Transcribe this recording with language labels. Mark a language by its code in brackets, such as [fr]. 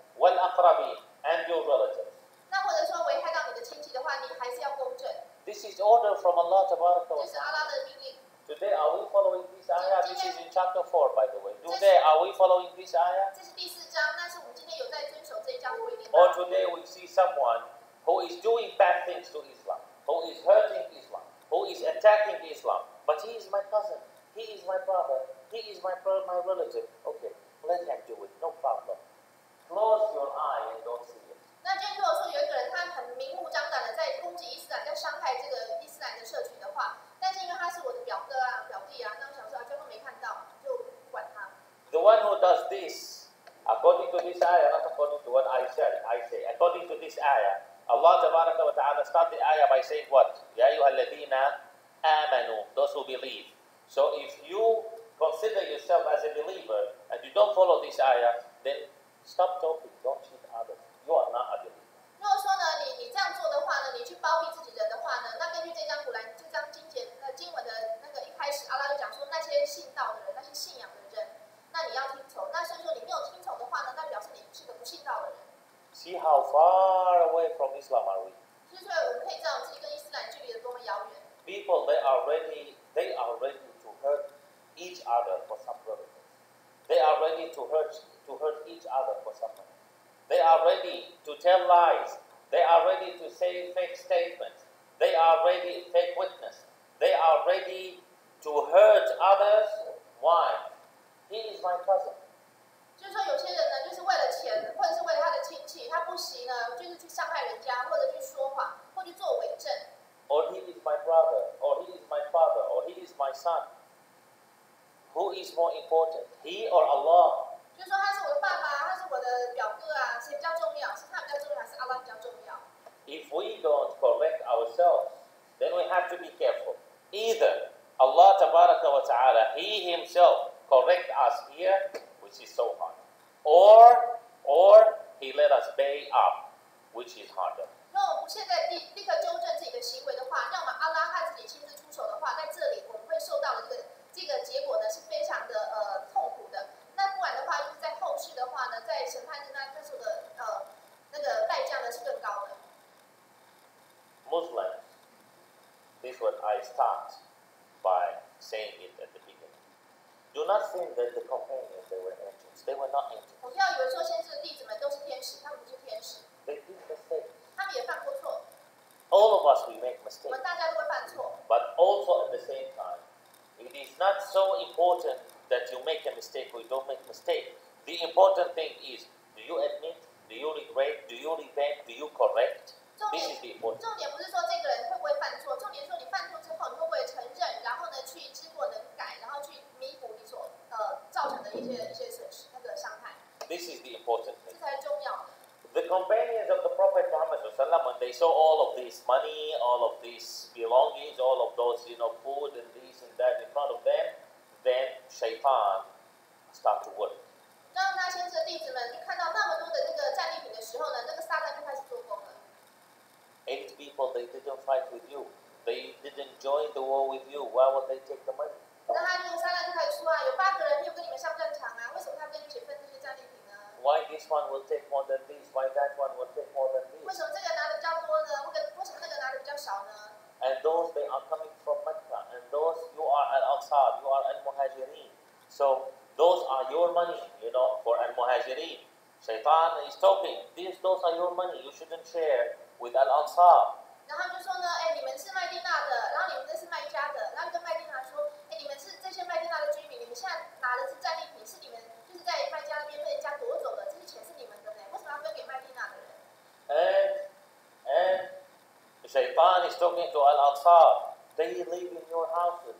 [ar] Wal aqrabin [en] and your relatives. [zh] 那或者说危害到你的亲戚的话，你还是要公证。 [en] This is order from Allah Tabaraka [zh] wa Taala. 这是阿拉的命令。 [en] Today are we following this ayah? This is in chapter 4, by the way. Today are we following this ayah? [zh] 这是第四章，但是我们今天有在遵守这一章规定。 [en] Or today we see someone who is doing bad things to Islam, who is hurting Islam, who is attacking Islam, but he is my cousin, he is my brother, he is my relative. Okay, let him do it, no problem. Close your eye and don't see it. [zh] 那今天如果说有一个人他很明目张胆的在攻击伊斯兰，在伤害这个伊斯兰的社群的话。但是因为他是我的表哥啊、表弟啊，那我想说啊，最后没看到，就不管他。 [en] The one who does this, according to this ayah, not according to what I say, according to this ayah, Allah Tabaraka wa Taala start the ayah by saying what? [ar] يا أيها الذين آمنوا, [en] those who believe. So if you consider yourself as a believer and you don't follow this ayah, then stop talking, don't cheat others. You are not a believer. [zh] 如果说呢，你这样做的话呢，你去包庇自己人的话呢，那根据这张古兰。经文的那个一开始，阿拉就讲说那些信道的人，那些信仰的人，那你要听从。那所以说你没有听从的话呢，那表示你是个不信道的人。 [en] See how far away from Islam are we? [zh] 就是说我们可以知道自己跟伊斯兰距离有多么遥远。 [en] People they are ready to hurt each other for some reason. They are ready to hurt each other for some reason. They are ready to tell lies. They are ready to say fake statements. They are ready fake witness. They are ready to hurt others. Why? He is my cousin. [zh] 就是说，有些人呢，就是为了钱，或者是为了他的亲戚，他不惜呢，就是去伤害人家，或者去说谎，或者去做伪证。 [en] Or he is my brother, or he is my father, or he is my son. Who is more important, he or Allah? [zh] 就是说，他是我的爸爸，他是我的表哥啊，谁比较重要？是他比较重要，还是阿拉比较重要 [en] ？If we don't correct ourselves. Then we have to be careful. Either Allah Tabaraka wa Ta'ala, He Himself correct us here, which is so hard. Or He let us pay up, which is harder. [zh] 如果我们现在立刻纠正自己的行为的话，要么阿拉他自己亲自出手的话，在这里我们会受到的这个结果呢，是非常的痛苦的。那不然的话，就是在后续的话呢，在审判那这时候的那个代价呢是更高的。 [en] Muslim. This is what I start by saying it at the beginning. Do not think that the companions, they were angels. They were not angels. [zh] 不要以为做先知的弟子们都是天使，他们不是天使。 [en] They did mistakes. [zh] 他们也犯过错。 [en] All of us, we make mistakes. [zh] 我们大家都会犯错。 [en] But also at the same time, it is not so important that you make a mistake or you don't make a mistake. The important thing is, do you admit? Do you regret? Do you repent? Do you correct? [zh] 重点不是说这个人会不会犯错，重点是说你犯错之后，你会不会承认，然后呢去知过能改，然后去弥补你所造成的一些损失那个伤害。 [en] This is the important thing. [zh] 这才重要。 [en] The companions of the Prophet Muhammad ﷺ, when they saw all of this money, all of these belongings, all of those food and this and that in front of them, then Shaytan started to work. [zh] 当那先知的弟子们看到那么多的那个战利品的时候呢，那个撒旦就开始做工了。 [en] 8 people, they didn't fight with you. They didn't join the war with you. Why would they take the money? [zh] 那他就撒旦就开始出啊，有8个人没有跟你们上战场啊，为什么他跟你们一起分这些战利品呢？ [en] Why this one will take more than this? Why that one will take more than this? [zh] 为什么这个拿的比较多呢？为什么那个拿的比较少呢？ [en] And those, they are coming from Mecca. And those, you are Al-Aqsa, you are Al-Muhajirin. So, those are your money, for Al-Muhajirin. Shaytan is talking, those are your money, you shouldn't share. With Al-Ansar. [zh] 然后就说呢，哎，你们是麦地那的，然后你们这是麦加的，然后跟麦地那说，哎，你们是这些麦地那的居民，你们现在拿的是战利品，是你们就是在麦加那边被人家夺走的，这些钱是你们的呢，为什么要分给麦地那的人 [en] ？And Shaytan is talking to Al-Ansar. They live in your houses.